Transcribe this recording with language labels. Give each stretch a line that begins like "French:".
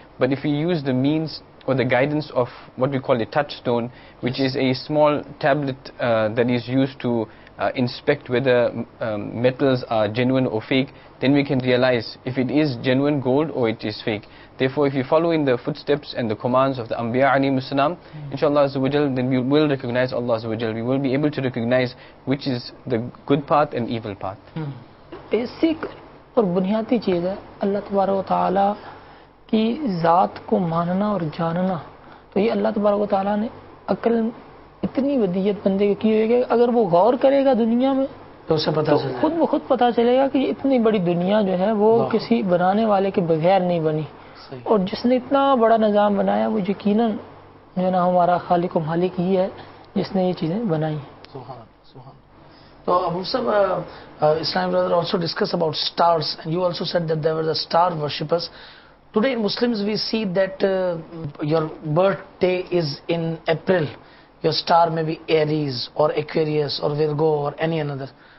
English: But if you use the means or the guidance of what we call a touchstone, which is a small tablet that is used to inspect whether metals are genuine or fake, then we can realize if it is genuine gold or it is fake. Therefore, if you follow in the footsteps and the commands of the Anbiya alayhim as-salam, inshallah azza wa jal, then we will recognize Allah azza wa jal. We will be able to recognize which is the good path and evil path.
Urdu: Basic اور بنیادی چیز ہے اللہ تبارک و تعالیٰ کی ذات کو ماننا اور جاننا. تو یہ اللہ تبارک و تعالیٰ نے عقل اتنی ودیت بندے کی ہوئی کہ اگر وہ غور کرے گا دنیا میں تو اسے پتا چلے، خود بخود پتا چلے گا کہ اتنی بڑی دنیا جو ہے وہ کسی بنانے والے کے بغیر نہیں بنی. صحیح. اور جس نے اتنا بڑا نظام بنایا وہ یقیناً جو نا ہمارا خالق و مالک ہی ہے جس نے یہ چیزیں بنائی. سبحان سبحان.
English: So Abu Sahib, Islam brother also discussed about stars, and you also said that there were the star worshippers. Today in Muslims we see that your birthday is in April, your star may be Aries or Aquarius or Virgo or any another.